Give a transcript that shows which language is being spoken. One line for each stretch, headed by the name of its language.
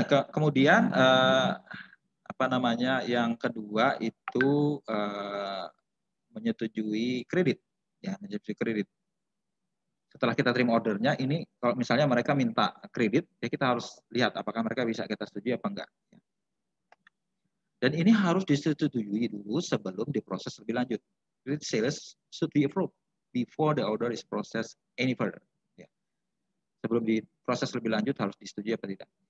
Indonesian: Kemudian, apa namanya, yang kedua itu menyetujui kredit. Ya, menyetujui kredit. Setelah kita terima ordernya, ini kalau misalnya mereka minta kredit, ya kita harus lihat apakah mereka bisa kita setujui apa enggak. Dan ini harus disetujui dulu sebelum diproses lebih lanjut.
English: Credit sales should be approved before the order is processed any further.
Indonesian: Ya. Sebelum diproses lebih lanjut harus disetujui apa tidak.